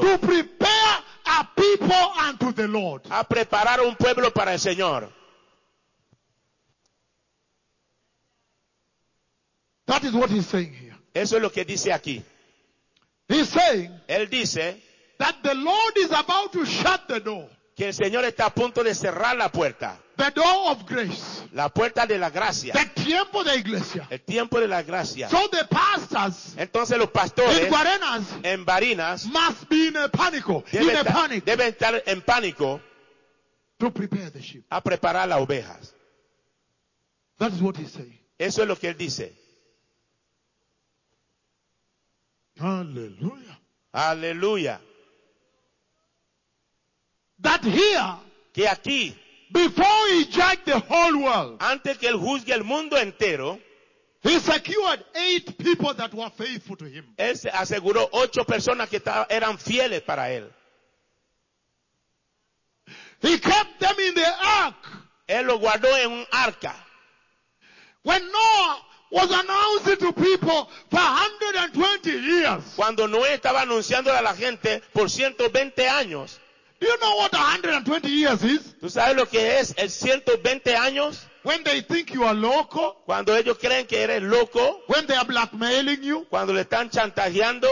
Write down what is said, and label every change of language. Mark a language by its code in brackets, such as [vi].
[en] to prepare a people unto the Lord, [es] a preparar un pueblo para el Señor. [en] That is what he's saying here. [es] Eso es lo que dice aquí. [en] He's saying, [es] él dice, [en] that the Lord is about to shut the door, [es] que el Señor está a punto de cerrar la puerta. [en] The door of grace. [es] La puerta de la gracia. The tiempo de iglesia. El tiempo de la gracia. [en] So the pastors. [es] Entonces los pastores. [en] In Barinas. [es] En Barinas. [en] Must be in a panic. In a panic. [es] Deben estar en pánico. [en] To prepare the sheep. [es] A preparar las ovejas. [en] That is what he's saying. [es] Eso es lo que él dice. Aleluya. Aleluya. [en] That here. [es] Que aquí. [en] Before he judged the whole world, [es] antes que él juzgue el mundo entero, [en] he secured 8 people that were faithful to him. [es] Él se aseguró 8 personas que eran fieles para él. [en] He kept them in the ark. [es] Él lo guardó en un arca. [en] When Noah was announcing to people for 120 years. [es] Cuando Noé estaba anunciándole a la gente por 120 años. [en] Do you know what 120 years is? [es] ¿Tú sabes lo que es el 120 años? [en] When they think you are loco. [es] Cuando ellos creen que eres loco. [en] When they are blackmailing you. [es] Cuando le están chantajeando.